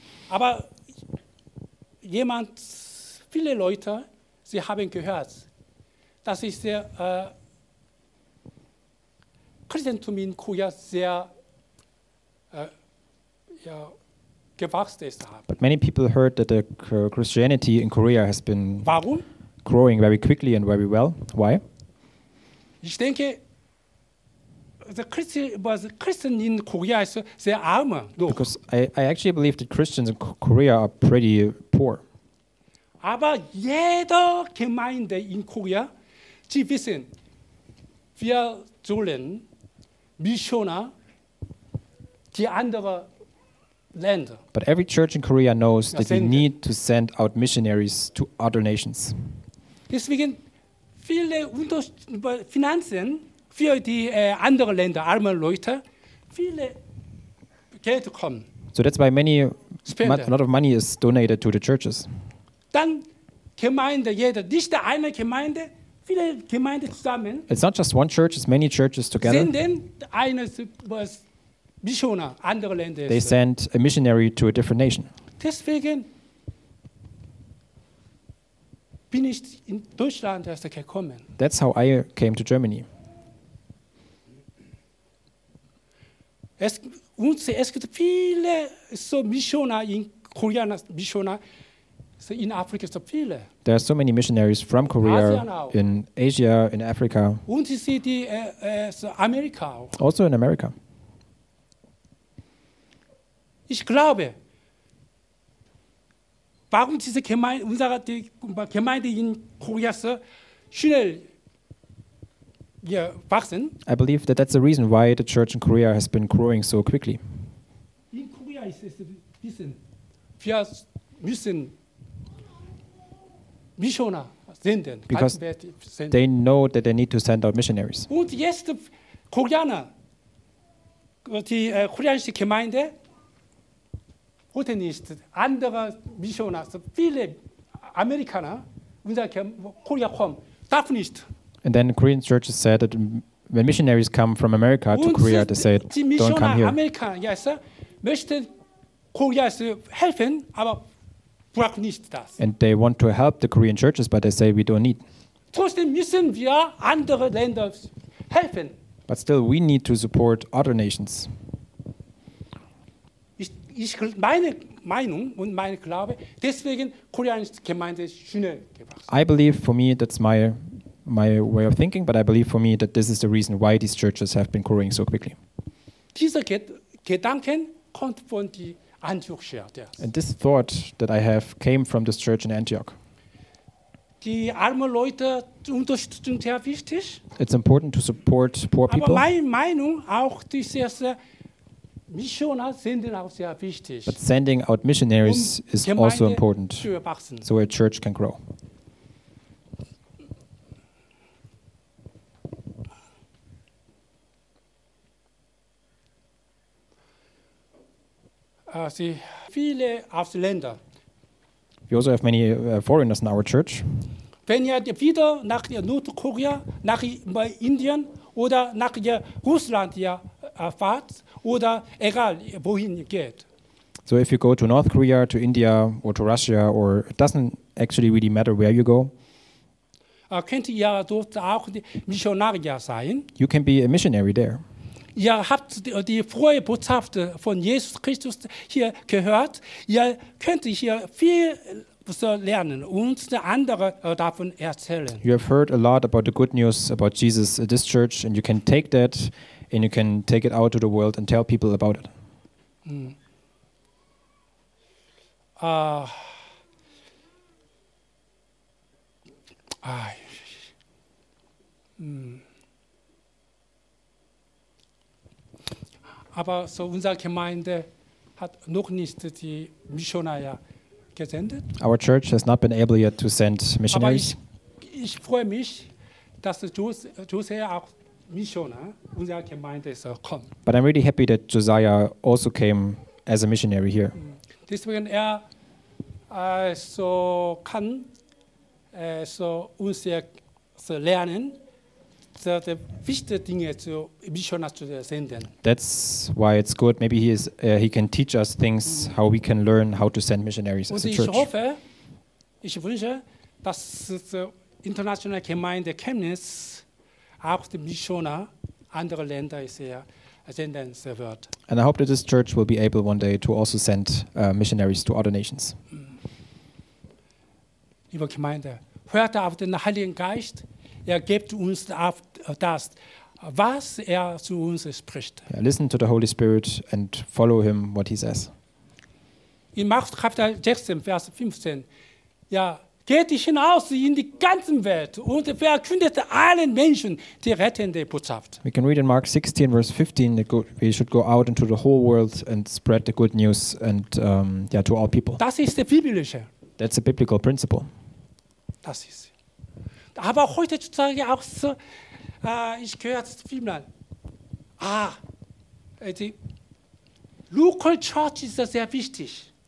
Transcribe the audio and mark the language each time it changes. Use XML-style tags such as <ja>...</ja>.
<de>Aber jemand, viele Leute, sie haben gehört, dass ist der Christentum in Korea sehr gewachsen ist.</de> <en>But many people heard that the Christianity in Korea has been</en> <de>Warum?</de> <en>Growing very quickly and very well. Why?</en> <de>Ich denke, Christen in Korea ist sehr arm. Doch.</de> <en>Because I actually believe that Christians in Korea are pretty poor.</en> <de>Aber jede Gemeinde in Korea, sie wissen, wir sollen Missionar die andere Länder.</de> <en>But every church in Korea knows that they need to send out missionaries to other nations.</en> <de>Deswegen viele Finanzen für die andere Länder, arme Leute, viele Geld kommen.</de> <en>So that's why many, a lot of money is donated to the churches.</en> <de>Dann Gemeinde, jeder, nicht eine Gemeinde, viele Gemeinden zusammen.</de> <en>It's not just one church, it's many churches together.</en> <de>Senden eine Missionar, andere Länder.</de> <en>They send a missionary to a different nation.</en> <de>Deswegen bin ich in Deutschland erst gekommen.</de> <en>That's how I came to Germany.</en> <de>Es gibt viele so Missionar in Korean Missionar so in Afrika so viele.</de> <en>There are so many missionaries from Korea in Asia, in Africa.</en> <de>Und sie die so Amerika.</de> <en>Also in America.</en> <de>Ich glaube, warum diese Gemeinde, unsere Gemeinde in Korea so schnell wachsen?</de> <en>I believe that that's the reason why the church in Korea has been growing so quickly.</en> <de>In Korea ist es wissen, wir müssen Missionar senden.</de> <en>Because they know that they need to send out missionaries.</en> <de>Und jetzt Koreaner, die koreanische Gemeinde, heute nicht andere Missionar, so viele Amerikaner, unsere Korea kommen, darf nicht.</de> <en>And then Korean churches said that when missionaries come from America to Korea, they said, don't come here.</en> <de>America, yes, möchten Korea helfen, aber brauchen nicht das.</de> <en>And they want to help the Korean churches, but they say we don't need.</en> <de>Trotzdem müssen wir andere Länder helfen.</de> <en>But still, we need to support other nations.</en> <de>Ich meine Meinung und mein Glaube, deswegen koreanische Gemeinde schnell gewachsen.</de> <en>I believe, for me, that's my way of thinking, but I believe for me that this is the reason why these churches have been growing so quickly. And this thought that I have came from this church in Antioch. It's important to support poor people. But sending out missionaries is also important so a church can grow.</en> <de>Viele Ausländer.</de> <en>We also have many foreigners in our church.</en> <de>Wenn ihr wieder nach Nordkorea, nach Indien oder nach Russland fahrt, oder egal wohin geht.</de> <en>So if you go to North Korea, to India or to Russia, or it doesn't actually really matter where you go.</en> <de>Könnt ihr dort auch Missionare sein?</de> <en>You can be a missionary there.</en> <de>Ihr habt die frohe Botschaft von Jesus Christus hier gehört. Ihr könnt hier viel lernen und andere davon erzählen.</de> <en>You have heard a lot about the good news about Jesus at this church, and you can take that and you can take it out to the world and tell people about it.</en> <de>Aber so unsere Gemeinde hat noch nicht die Missionare gesendet.</de> <en>Our church has not been able yet to send missionaries.</en> <de>Aber ich freue mich, dass Josiah auch Missionar unserer Gemeinde so kommt.</de> <en>But I'm really happy that Josiah also came as a missionary here.</en> <de>Deswegen so kann so uns so lernen.</de> <en>That's why it's good. Maybe he can teach us things, how we can learn how to send missionaries as a church.</en> <de>Ich wünsche, dass die internationale Gemeinde Chemnitz auch die Missionar andere Länder senden wird.</de> <en>And I hope that this church will be able one day to also send missionaries to other nations.</en> <de>Liebe Gemeinde, hört auf den Heiligen Geist. Gibt uns auf das, was zu uns spricht.</de> <en>Yeah, listen to the Holy Spirit and follow him, what he says.</en> <de>In Markus Kapitel 16, Vers 15, geht ich hinaus in die ganze Welt und verkündet allen Menschen die rettende Botschaft.</de> <en>We can read in Mark 16, verse 15, that we should go out into the whole world and spread the good news and to all people.</en> <de>Das ist der biblische.</de> <en>That's a biblical principle.</en> <de>Das ist. Aber heutzutage auch so, ich gehört vielmal, die</de> <en>local church</en> <de>ist sehr wichtig.</de>